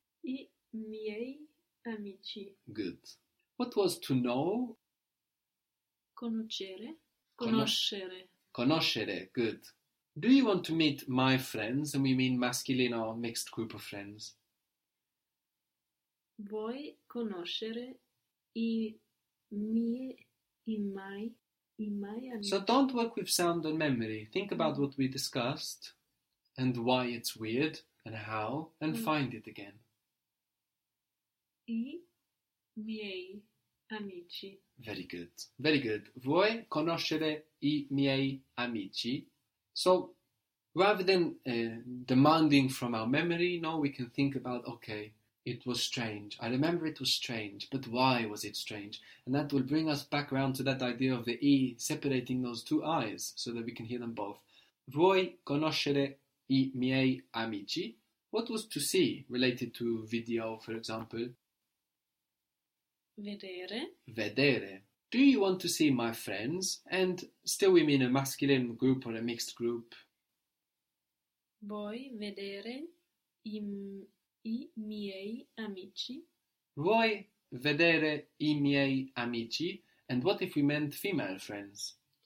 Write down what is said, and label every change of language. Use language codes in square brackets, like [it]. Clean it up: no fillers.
[it] I miei amici. [en] Good. What was to know? [it] Conoscere. Conoscere. Conoscere, good. [en] Do you want to meet my friends? And we mean masculine or mixed group of friends. [it] Vuoi conoscere i miei, i mai amici? [en] So don't work with sound and memory. Think about what we discussed and why it's weird. And how, and find it again. [it] I miei amici. [en] Very good. Very good. [it] Vuoi conoscere I miei amici? [en] So, rather than demanding from our memory, now we can think about, okay, it was strange. I remember it was strange, but why was it strange? And that will bring us back around to that idea of the I separating those two I's so that we can hear them both. [it] Vuoi conoscere I miei amici? [en] What was to see related to video, for example? [it] Vedere. Vedere. [en] Do you want to see my friends? And still we mean a masculine group or a mixed group. [it] Vuoi vedere i miei amici? Vuoi vedere i miei amici? [en] And what if we meant female friends?